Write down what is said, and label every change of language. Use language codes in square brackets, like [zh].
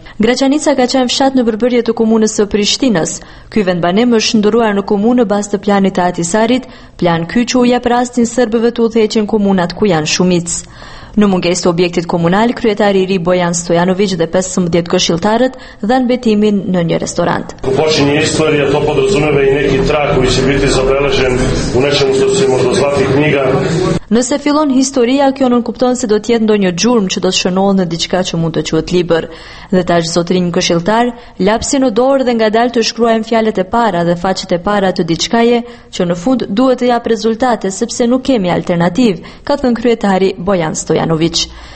[sq] Graçanica ka qenë fshat në përbërje të komunës së Prishtinës. Ky vend banim është ndëruar në komunë bazë të planit të Atisarit, plan ky që u jep rastin serbëve të udhëheqin komunat ku janë shumicë. Në mungesë të objektit komunal, kryetari i ri Bojan Stojanović dhe 15 këshilltarët dhanë betimin në një restorant. [sr] Ku počinje historia, to podrazumeva i neki trag koji će biti zabeležen u nečemu što se možda zvati knjiga. [sq] Nëse fillon historia, kjo nuk kupton se do të jetë ndonjë gjurmë që do të shënohet në diçka që mund të quhet libër. Dhe tash zotrin këshilltar, lapsi në dorë dhe ngadalë të shkruajmë fjalët e para dhe faqet e para të diçkaje që në fund duhet të jap rezultate sepse nuk kemi alternativë, ka thënë kryetari Bojan Stojanović.